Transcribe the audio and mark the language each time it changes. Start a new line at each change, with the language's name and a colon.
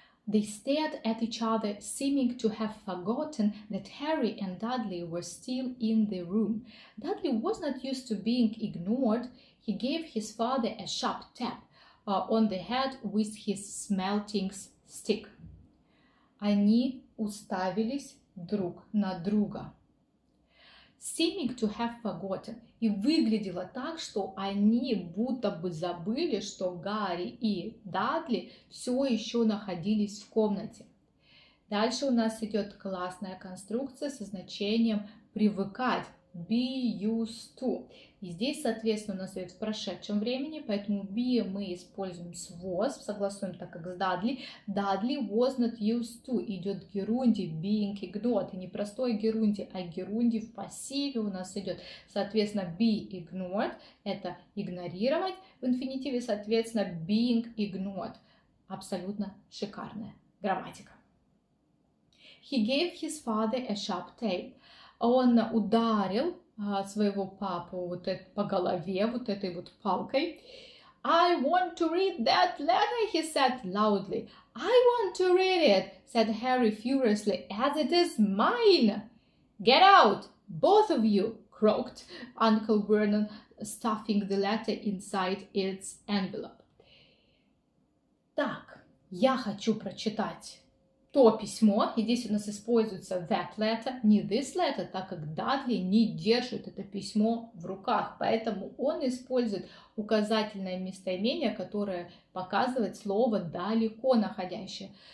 English: They stared at each other, seeming to have forgotten that Harry and Dudley were still in the room. Dudley was not used to being ignored. He gave his father a sharp tap on the head with his smelting stick.
Russian: Они уставились друг на друга.
English: Seeming to have forgotten.
Russian: И выглядело так, что они будто бы забыли, что Гарри и Дадли все еще находились в комнате. Дальше у нас идет классная конструкция со значением «привыкать».
English: Be used to.
Russian: И здесь, соответственно, у нас идет в прошедшем времени, поэтому be мы используем с was, согласуем так, как с Dudley.
English: Dudley was not used to.
Russian: Идет герундий,
English: being ignored.
Russian: И не простой герундий, а герундий в пассиве у нас идет. Соответственно,
English: be ignored
Russian: – это игнорировать в инфинитиве, соответственно,
English: being ignored.
Russian: Абсолютно шикарная грамматика.
English: He gave his father a sharp tap.
Russian: Он ударил своего папу вот это, по голове вот этой вот палкой.
English: I want to read that letter, he said loudly. I want to read it, said Harry furiously, as it is mine. Get out, both of you, croaked Uncle Vernon, stuffing the letter inside its envelope.
Russian: Так, я хочу прочитать то письмо, и здесь у нас используется that letter, не this letter, так как Дадли не держит это письмо в руках, поэтому он использует указательное местоимение, которое показывает слово далеко находящее.